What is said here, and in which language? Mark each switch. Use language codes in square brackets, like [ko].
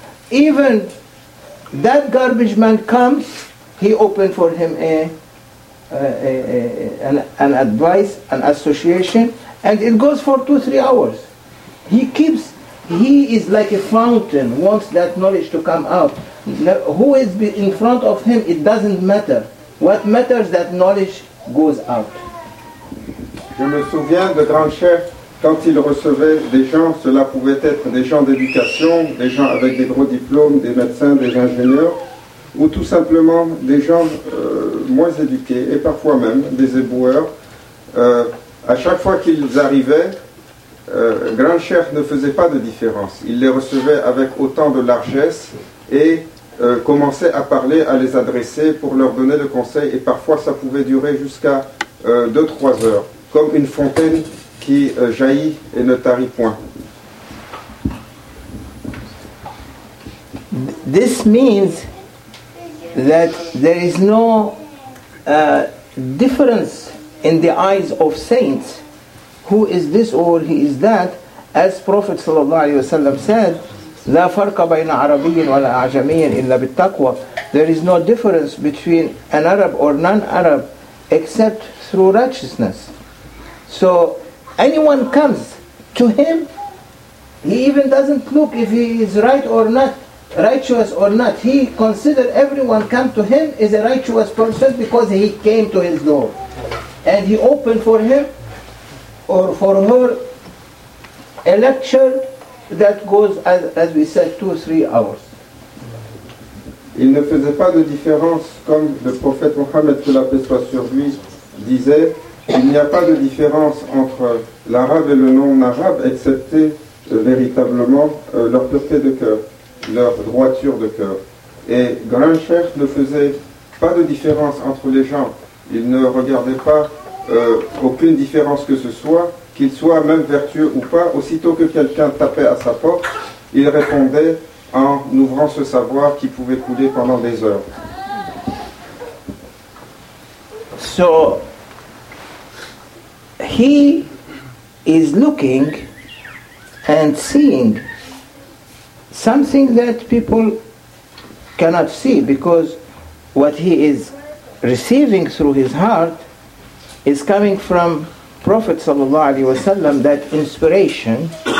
[en] Even that garbage man comes, he opened for him an advice, an association, and it goes for 2-3 hours. He is like a fountain, wants that knowledge to come out. Who is in front of him, it doesn't matter. What matters, that knowledge goes out. [fr] Je me souviens de grands chefs, quand ils recevaient des gens, cela pouvait être des gens d'éducation, des gens avec des gros diplômes, des médecins, des ingénieurs, ou tout simplement des gens moins éduqués, et parfois même des éboueurs. À chaque fois qu'ils arrivaient, grand cher ne faisait pas de différence. Il les recevait avec autant de largesse et commençait à parler, à les adresser pour leur donner le conseil. Et parfois, ça pouvait durer jusqu'à 2-3 heures, comme une fontaine qui jaillit et ne tarit point. [en] This means that there is no difference in the eyes of saints. Who is this or he is that? As Prophet ﷺ said, [ar] لا فرق بين عربي ولا أعجمي إلا بالتقوى. [en] There is no difference between an Arab or non-Arab except through righteousness. So anyone comes to him, he even doesn't look if he is right or not, righteous or not. He considers everyone come to him is a righteous person because he came to his door. And he opened for him or for her a lecture that goes, as we said, 2-3 hours. [fr] Il ne faisait pas de différence, comme le prophète Mohammed, que la paix soit sur lui, disait, il n'y a pas de différence entre l'arabe et le non-arabe, excepté véritablement leur pureté de cœur, leur droiture de cœur. Et grand cheikh ne faisait pas de différence entre les gens, il ne regardait pas aucune différence que ce soit, qu'il soit même vertueux ou pas. Aussitôt que quelqu'un tapait à sa porte, il répondait en ouvrant ce savoir qui pouvait couler pendant des heures. [en] So he is looking and seeing something that people cannot see, because what he is receiving through his heart is coming from Prophet sallallahu alaihi wasallam, that inspiration.